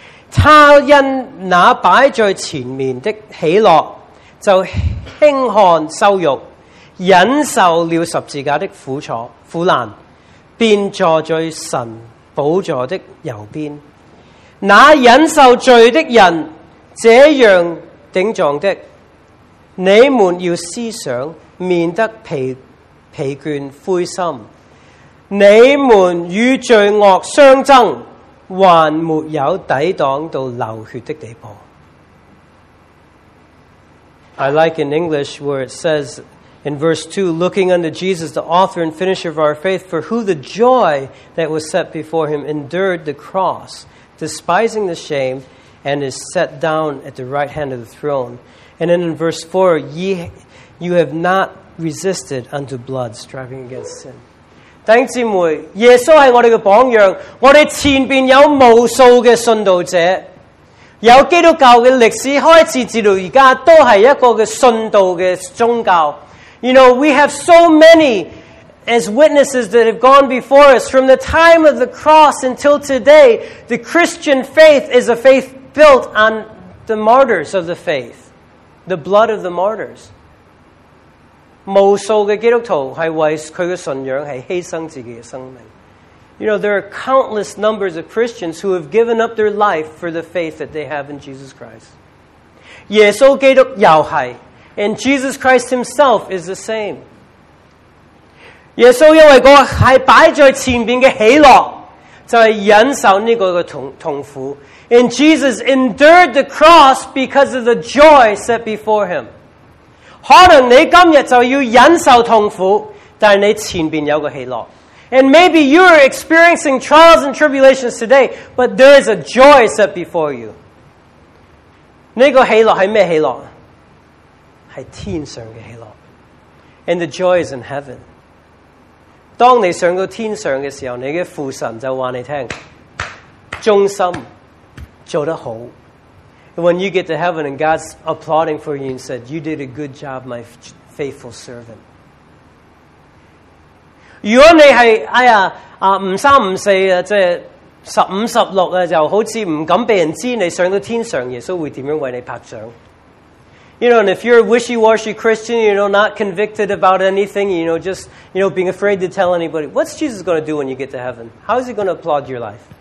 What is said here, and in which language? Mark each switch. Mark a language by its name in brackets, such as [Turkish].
[Chinese] 他因那摆在前面的喜乐，就轻看羞辱，忍受了十字架的苦难，便坐在神宝座的右边，那忍受罪的人这样顶撞的，你们要思想，免得疲倦灰心。你们与罪恶相争，还没有抵挡到流血的地步。 [English] I like in English where it says in verse 2, looking unto Jesus, the author and finisher of our faith, for who the joy that was set before him endured the cross, despising the shame, and is set down at the right hand of the throne. And then in verse 4, you have not resisted unto blood, striving against sin. [Chinese] 弟兄姊妹，耶稣是我们的榜样，我们前面有无数的信道者，有基督教的历史开始至到现在都是一个的信道的宗教。 [English] You know, we have so many as witnesses that have gone before us. From the time of the cross until today, the Christian faith is a faith built on the martyrs of the faith, the blood of the martyrs. [Chinese] 无数的基督徒是为他的信仰是牺牲自己的生命。 [English] You know, there are countless numbers of Christians who have given up their life for the faith that they have in Jesus Christ. [Chinese] 耶稣基督又是。 [English] And Jesus Christ himself is the same. [Chinese] 耶稣因为那个是摆在前面的喜乐，就是忍受这个痛苦。 [English] And Jesus endured the cross because of the joy set before him. [Chinese] 可能你今天就要忍受痛苦，但是你前面有个喜乐。 [English] And maybe you are experiencing trials and tribulations today, but there is a joy set before you. [Chinese] 这个喜乐是什么喜乐？是天上的喜乐。 [English] And the joy is in heaven. [Chinese] 当你上到天上的时候，你的父神就告诉你，忠心，做得好。 [English] When you get to heaven and God's applauding for you and said, you did a good job, my faithful servant. [Chinese] 如果你是，哎呀，不三不四，即是十五十六，就好像不敢被人知道你上到天上，耶稣会怎样为你拍掌？ [English] You know, and if you're a wishy-washy Christian, you know, not convicted about anything, you know, just, you know, being afraid to tell anybody, what's Jesus going to do when you get to heaven? How is he going to applaud your life?